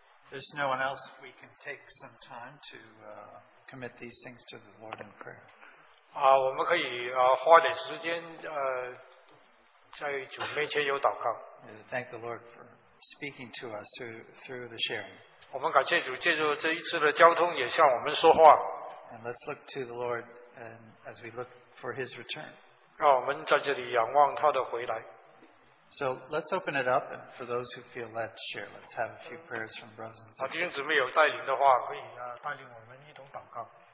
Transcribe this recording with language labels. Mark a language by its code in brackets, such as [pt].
[en] There's no one else. We can take some time to commit these things to the Lord in prayer. [zh] 我们可以花点时间在主面前有祷告。 [en] And thank the Lord for speaking to us through the sharing. [zh] 我们感谢主借助这一次的交通也向我们说话。 [en] And let's look to the Lord and as we look for His return. [zh] 让我们在这里仰望他的回来。 [en] So let's open it up, and for those who feel led, share. Let's have a few prayers from brothers and sisters. [zh] 弟兄姊妹有带领的话，可以带领我们一同祷告。